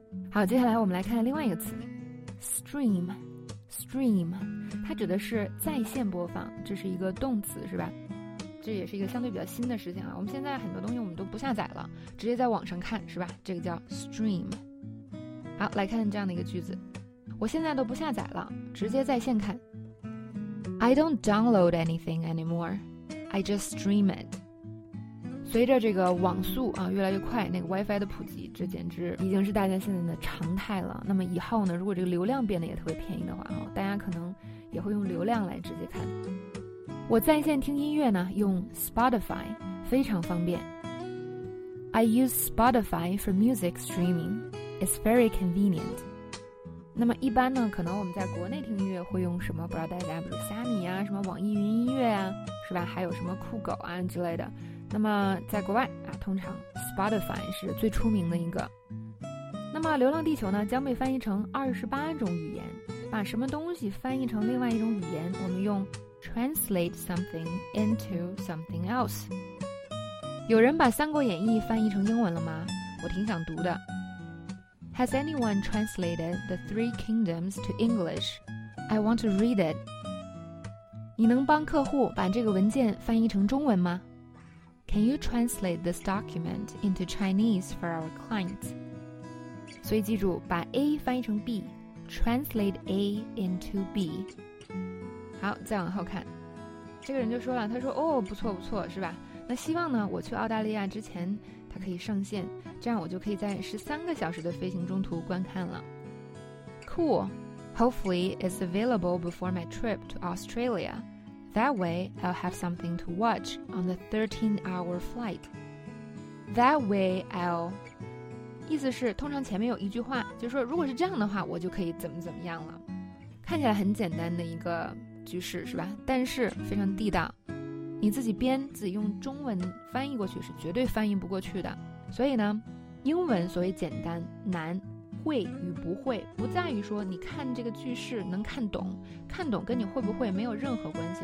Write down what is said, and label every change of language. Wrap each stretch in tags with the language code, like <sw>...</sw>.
<zh>好，接下来我们来看另外一个词 stream， 它指的是在线播放，这是一个动词是吧？这也是一个相对比较新的事情啊。我们现在很多东西我们都不下载了，直接在网上看是吧？这个叫 stream。好，来看这样的一个句子，我现在都不下载了，直接在线看。</zh> <en>I don't download anything anymore, I just stream it。</en> <zh>随着这个网速啊越来越快，那个 WiFi 的普及，这简直已经是大家现在的常态了。那么以后呢，如果这个流量变得也特别便宜的话啊，大家可能也会用流量来直接看。我在线听音乐呢，用 Spotify 非常方便。</zh> <en>I use Spotify for music streaming. It's very convenient.</en> <zh>那么一般呢，可能我们在国内听音乐会用什么？不知道大家，比如虾米啊，什么网易云音乐啊，是吧？还有什么酷狗啊之类的。那么在国外啊，通常 Spotify 是最出名的一个。那么《流浪地球》呢，将被翻译成28种语言。把什么东西翻译成另外一种语言，我们用</zh> <en>translate something into something else。</en> <zh>有人把《三国演义》翻译成英文了吗？我挺想读的。</zh> <en>Has anyone translated the Three Kingdoms to English? I want to read it.</en> <zh>你能帮客户把这个文件翻译成中文吗？</zh> <en>Can you translate this document into Chinese for our clients?</en> <zh>所以记住，把 A 翻译成 B,</zh> <en>translate A into B.</en> <zh>好，再往后看，这个人就说了，他说，哦，不错不错，是吧？那希望呢，我去澳大利亚之前它可以上线，这样我就可以在13个小时的飞行中途观看了。</zh> <en>Cool, hopefully it's available before my trip to Australia. That way, I'll have something to watch on the 13-hour flight. That way, I'll...</en> <zh>意思是通常前面有一句话，就是说如果是这样的话，我就可以怎么怎么样了。看起来很简单的一个句式，是吧？但是非常地道。你自己编，自己用中文翻译过去是绝对翻译不过去的。所以呢，英文所谓简单难，会与不会不在于说你看这个句式能看懂，看懂跟你会不会没有任何关系。</zh>